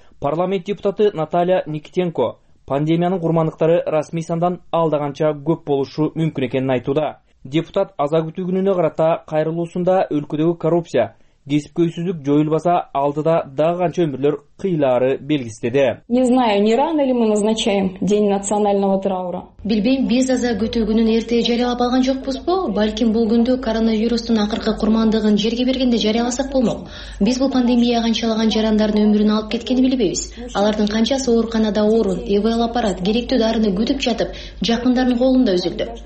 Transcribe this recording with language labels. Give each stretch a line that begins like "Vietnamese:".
Kyrgyz: Парламент депутаты Наталья Никитенко пандемиянын курмандыктары расмий сандан алдаганча көп болушу мүмкүн экенин айтууда. Депутат аза күтүү күнүнө карата кайрылуусунда өлкөдөгү коррупция, кесипкөйсүздүк жоюлбаса алдыда дагы канча өмүрлөр кыйлаары белгиледи.
Russian: Не знаю, не рано ли мы назначаем день национального траура.
Kyrgyz: Билбейм, биз аза күтүү күнүн эрте жарыялап алган жокпузбу? Балким бул күндү коронавирустун акыркы курмандыгын жерге бергенде жарыяласак болмок. Биз бул пандемия канчалаган жарандардын өмүрүн алып кеткенин билбейбиз. Алардын канчасы ооруканада орун, ИВЛ аппарат, керектүү дарыны күтүп жатып, жакындарынын колунда үзүлдү.